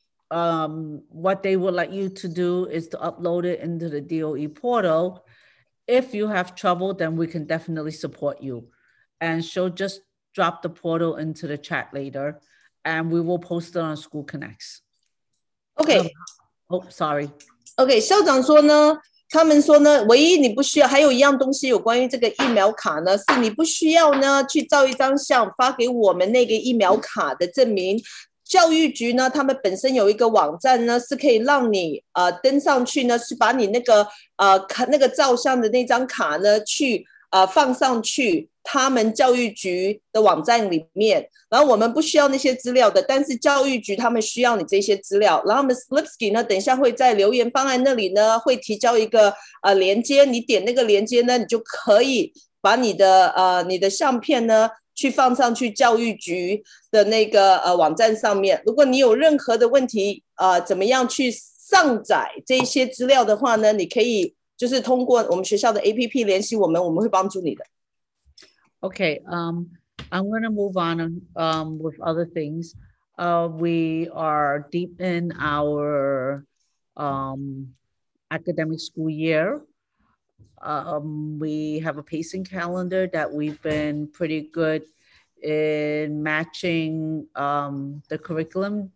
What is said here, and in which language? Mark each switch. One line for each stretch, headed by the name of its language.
English: What they would like you to do is to upload it into the DOE portal. If you have trouble, then we can definitely support you. And she'll just drop the portal into the chat later and we will post it on School Connects. Okay. Okay,
Chinese: 校长说呢，他们说呢，唯一你不需要，还有一样东西有关于这个疫苗卡呢，是你不需要呢去照一张相发给我们那个疫苗卡的证明。教育局呢，他们本身有一个网站呢，是可以让你登上去呢，是把你那个那个照相的那张卡呢，去放上去他们教育局的网站里面。然后我们不需要那些资料的，但是教育局他们需要你这些资料。然后 Ms. Lipsky 呢，等一下会在留言方案那里呢，会提交一个连接，你点那个连接呢，你就可以把你的相片呢。去放上去教育局的那个网站上面。如果你有任何的问题怎么样去上载这些资料的话呢，你可以就是通过我们学校的 APP 联系我们，我们会帮助你的。
English: Okay, I'm going to move on with other things. We are deep in our academic school year. We have a pacing calendar that we've been pretty good in matching the curriculum.